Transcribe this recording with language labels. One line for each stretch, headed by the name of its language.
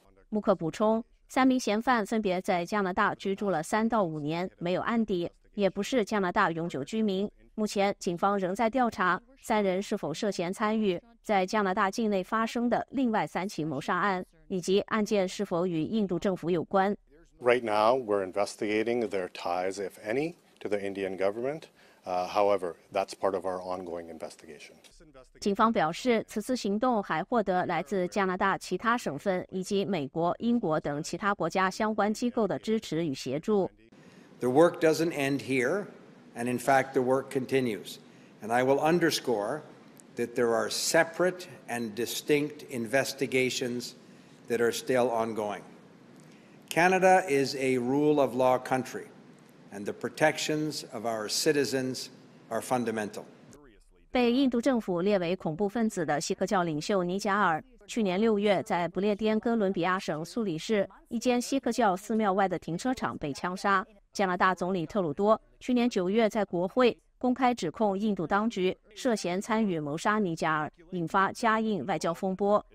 Chinese: 穆克补充，三名嫌犯分别在加拿大居住了3到5年，没有案底，也不是加拿大永久居民。目前，警方仍在调查三人是否涉嫌参与在加拿大境内发生的另外3起谋杀案，以及案件是否与印度政府有关。
English: Right now, we're investigating their ties, if any, to the Indian government. However, that's part of our ongoing investigation.
Chinese: 警方表示，此次行动还获得来自加拿大其他省份以及美国、英国等其他国家相关机构的支持与协助。
English: The work doesn't end here. And in fact, the work continues. And I will underscore that there are separate and distinct investigations that are still ongoing. Canada is a rule of law country, and the protections of our citizens are fundamental.
Chinese: 被印度政府列为恐怖分子的锡克教领袖尼贾尔，去年六月在不列颠哥伦比亚省苏里市一间锡克教寺庙外的停车场被枪杀。加拿大总理特鲁多去年九月在国会公开指控印度当局涉嫌参与谋杀尼贾尔，引发加印外交风波。